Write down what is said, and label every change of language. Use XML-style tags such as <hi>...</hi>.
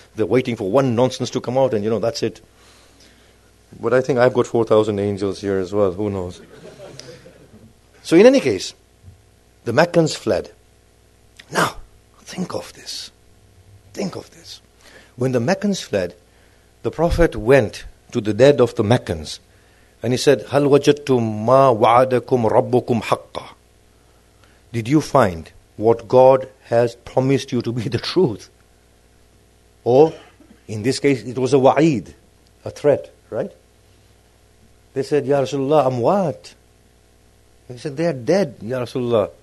<en>They're waiting for one nonsense to come out and you know, that's it. But I think I've got 4,000 angels here as well. Who knows? So in any case, the Meccans fled. Now, think of this. Think of this. When the Meccans fled, the Prophet went to the dead of the Meccans. And he said,</en> <ar>هَلْ وَجَدْتُمْ مَا وَعَدَكُمْ رَبُّكُمْ حَقَّ.</ar> <en>Did you find what God has promised you to be the truth? Or, in this case, it was a wa'id, a threat. Right? They said,</en> <ar>Ya Rasulullah, amwat.</ar> <en>He said, they are dead,</en> <ar>Ya Rasulullah.</ar>